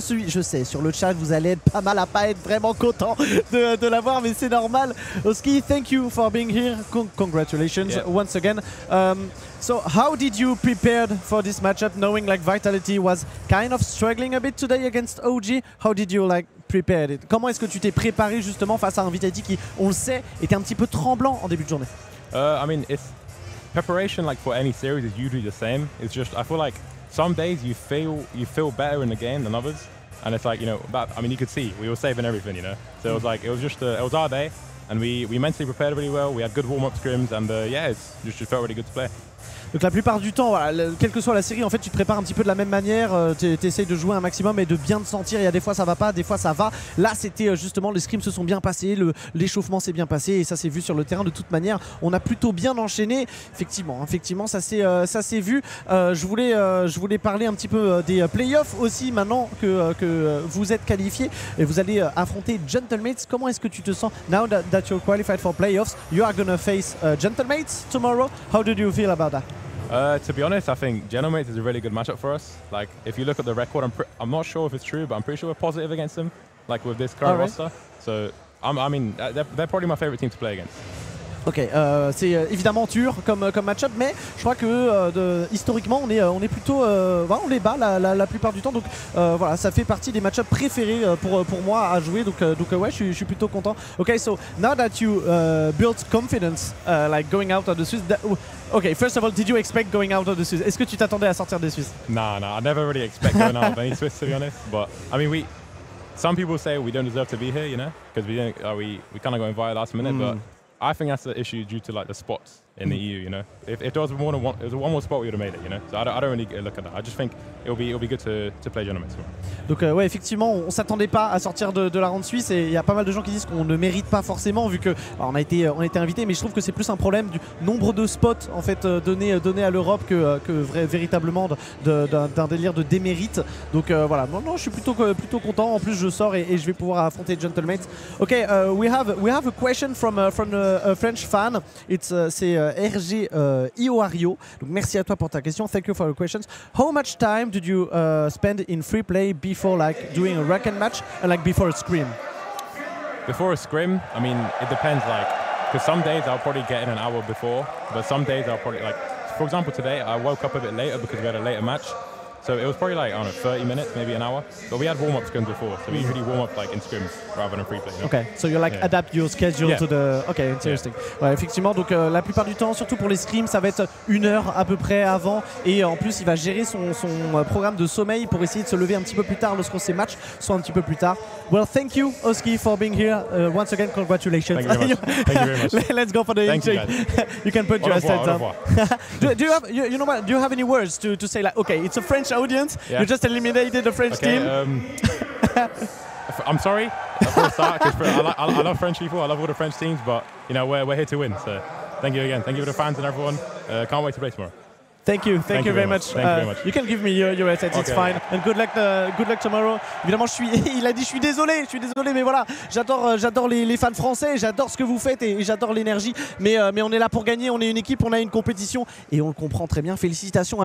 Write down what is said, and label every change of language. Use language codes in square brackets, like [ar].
[fr] Je sais, sur le chat, vous allez être pas mal à pas être vraiment content de l'avoir, mais c'est normal. [en] OSKI, thank you for being here. Congratulations once again. So how did you prepare for this matchup, knowing like Vitality was kind of struggling a bit today against OG? How did you like prepare it? [fr] Comment est-ce que tu t'es préparé justement face à un Vitality qui, on le sait, était un petit peu tremblant en début de journée? [en] I mean, if preparation like for any series is usually the same. It's just I feel like some days you feel better in the game than others, and it's like, you know, but I mean, you could see we were saving everything, you know. So it was like it was our day, and we mentally prepared really well. We had good warm-up scrims, and it just felt really good to play. [fr] Donc la plupart du temps, voilà, quelle que soit la série, en fait, tu te prépares un petit peu de la même manière, t'essayes de jouer un maximum et de bien te sentir. Il y a des fois ça va pas, des fois ça va. Là, c'était justement, les scrims se sont bien passés, l'échauffement s'est bien passé et ça s'est vu sur le terrain. De toute manière, on a plutôt bien enchaîné. Effectivement, ça s'est vu. Je voulais parler un petit peu des playoffs aussi, maintenant que vous êtes qualifié et vous allez affronter Gentlemates. Comment est-ce que tu te sens [en] now that you're qualified for playoffs? You are gonna face Gentlemates tomorrow. How did you feel about that? To be honest, I think Gentlemates is a really good matchup for us. Like, if you look at the record, I'm not sure if it's true, but I'm pretty sure we're positive against them, like with this current roster. So, they're probably my favorite team to play against. [fr] Ok, c'est évidemment dur comme match-up, mais je crois que historiquement on est plutôt on les bat la plupart du temps, donc voilà, ça fait partie des match-ups préférés pour moi à jouer, donc ouais, je suis plutôt content. [en] Ok, so now that you built confidence like going out of the Swiss, first of all, did you expect going out of the Swiss? [fr] Est-ce que tu t'attendais à sortir des Suisses? [en] No, I never really expect going out of any Swiss, to be honest, but I mean some people say we don't deserve to be here, you know, because we kind of got invited last minute, but I think that's the issue due to like the spots in the EU, you know. If there was more than one, if there was one more spot, we would have made it, you know. So I don't really look at that. I just think it'll be good to play Gentlemen's. [fr] Donc ouais, effectivement, on s'attendait pas à sortir de la ronde suisse, et il y a pas mal de gens qui disent qu'on ne mérite pas forcément vu que on a été invité, mais je trouve que c'est plus un problème du nombre de spots en fait donné à l'Europe que véritablement d'un délire de démérite. Donc voilà, non, je suis plutôt content. En plus, je sors et je vais pouvoir affronter Gentlemen's. [en] Ok, we have a question from a French fan. [fr] RG Iorio. Donc merci à toi pour ta question. [en] Thank you for your questions. How much time did you spend in free play before like doing a rack and match and like before a scrim? Before a scrim, I mean, it depends, like, because some days I'll probably get in an hour before, but some days I'll probably, like, for example, today I woke up a bit later because we had a later match. So it was probably like, I don't know, 30 minutes, maybe an hour. But we had warm-up scrims before, so we usually warm up like in scrims rather than pre-play. No? Okay, so you like adapt your schedule to the... Okay, interesting. Yeah. [fr] Ouais, effectivement, donc la plupart du temps, surtout pour les scrims, ça va être une heure à peu près avant. Et en plus, il va gérer son programme de sommeil pour essayer de se lever un petit peu plus tard lorsque ses matchs sont un petit peu plus tard. [en] Well, thank you, OSKI, for being here. Once again, congratulations. Thank you very much. Let's go for the intake. You can put your stats up. Do you have any words to say, like, okay, it's a French audience, you just eliminated the French team. I'm sorry for a start, because I love French people, I love all the French teams, but you know, we're here to win, so thank you again. Thank you to the fans and everyone. Can't wait to play tomorrow. Thank you very much. You can give me your headset, okay, it's fine. Yeah. And good luck tomorrow. [fr] Évidemment, je suis désolé, mais voilà, j'adore les fans français, j'adore ce que vous faites et j'adore l'énergie. Mais on est là pour gagner, on est une équipe, on a une compétition et on le comprend très bien. Félicitations.